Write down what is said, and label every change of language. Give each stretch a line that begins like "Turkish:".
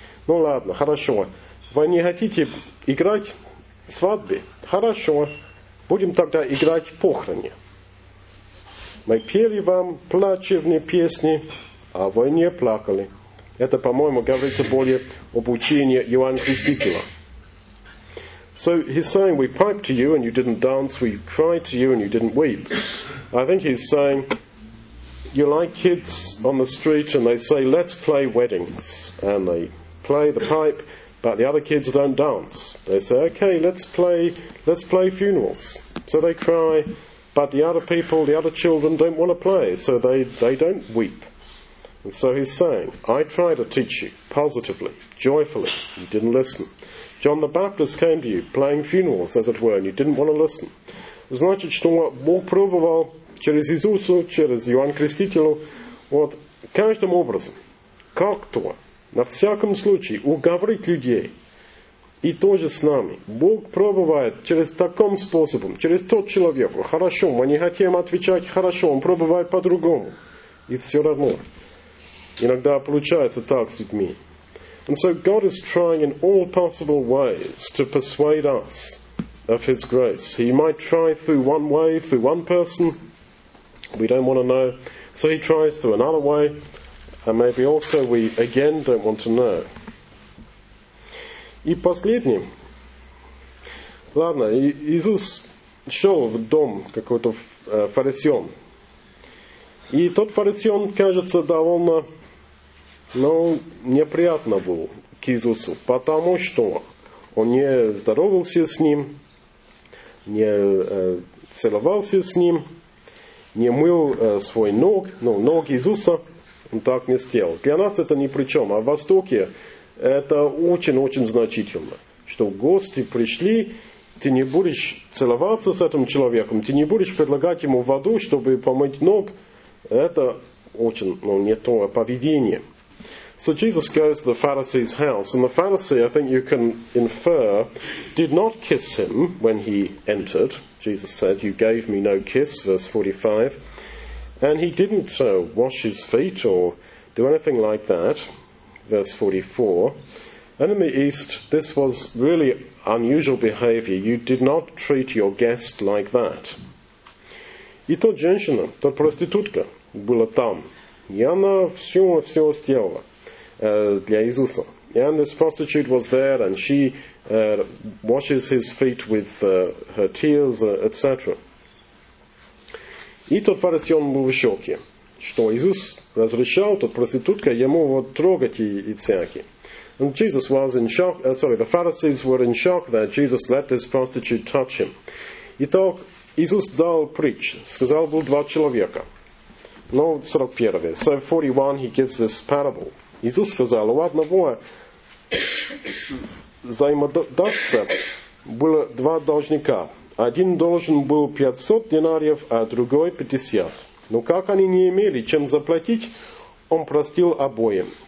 Russian: Ну ладно, хорошо. Вы не хотите играть в свадьбе? Хорошо. Будем тогда играть в похороне. Мы пели вам плачевные песни, а вы не плакали. Это, по-моему, говорится более об учении Иоанна Крестителя.
English: So he's saying, we piped to you and you didn't dance, we cried to you and you didn't weep. I think he's saying, you're like kids on the street and they say, let's play weddings. And they play the pipe, but the other kids don't dance. They say, okay, let's play funerals. So they cry, but the other people, the other children don't want to play, so they don't weep. And so he's saying, I try to teach you positively, joyfully, you didn't listen. John the Baptist came to you, playing funerals, as it were, and you didn't want to listen.
Russian: Значит, что Бог пробовал через Иисуса, через Иоанна Крестителя, вот, каждым образом, как-то, на всяком случае, уговорить людей, и тоже с нами. Бог пробует через таким способом, через тот человек, хорошо, мы не хотим отвечать, хорошо, он пробует по-другому. И все равно, иногда получается так с людьми.
English: And so God is trying in all possible ways to persuade us of His grace. He might try through one way, through one person. We don't want to know. So He tries through another way. And maybe also we again don't want to know.
Russian: И последнее. Ладно, Иисус шел в дом какой-то фарисеон. И тот фарисеон, кажется, довольно... Но неприятно было к Иисусу, потому что он не здоровался с ним, не целовался с ним, не мыл свой ног, ну, ног Иисуса, он так не сделал. Для нас это ни при чем, а в Востоке это очень-очень значительно, что гости пришли, ты не будешь целоваться с этим человеком, ты не будешь предлагать ему воду, чтобы помыть ног, это очень, ну, не то поведение.
English: So Jesus goes to the Pharisee's house, and the Pharisee, I think you can infer, did not kiss him when he entered. Jesus said, you gave me no kiss, verse 45. And he didn't wash his feet or do anything like that, verse 44. And in the East, this was really unusual behavior. You did not treat your guest like that.
Russian: И та женщина, та проститутка была там. И она все сделала. Для Иисуса.
English: And this prostitute was there, and she washes his feet with her tears, etc.
Russian: И тот фарисеон был в шоке, что Иисус разрешал тот проститутка ему вот трогать и всякие.
English: And Jesus was in shock. The Pharisees were in shock that Jesus let this prostitute touch him.
Russian: Итак, Иисус дал притч, сказал был два человека.
English: Но 41. So 41, he gives this parable.
Russian: Иисус сказал, у одного взаимодавца было два должника. Один должен был 500 динариев, а другой 50. Но как они не имели чем заплатить, он простил обоим.